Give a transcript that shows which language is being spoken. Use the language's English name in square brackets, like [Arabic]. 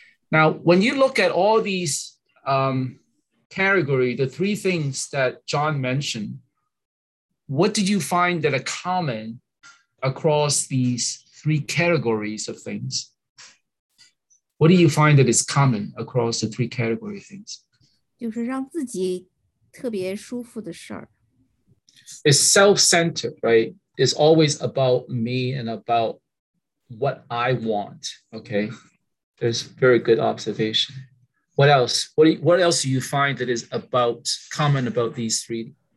[English] Now, when you look at all these category, the three things that John mentioned, what did you find that are common across these three categories of things? What do you find that is common across the three category of things? [Chinese] 就是让自己特别舒服的事儿。 [English] It's self-centered, right? It's always about me and about what I want, okay? That's a very good observation. What else? What else do you find that is about common about these three?